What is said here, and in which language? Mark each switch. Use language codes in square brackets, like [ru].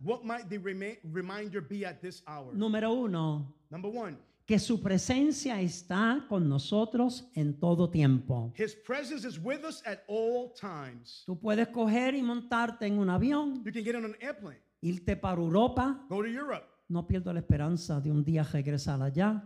[en] What might the reminder be at this hour? [es] Número uno. [en] Number one. [es] Que su presencia está con nosotros en todo tiempo. [en] His presence is with us at all times. [es] Tú puedes coger y montarte en un avión. [en] You can get on an airplane. [es] Irte para Europa. [en] Go to Europe. [es] No pierdo la esperanza de un día regresar allá.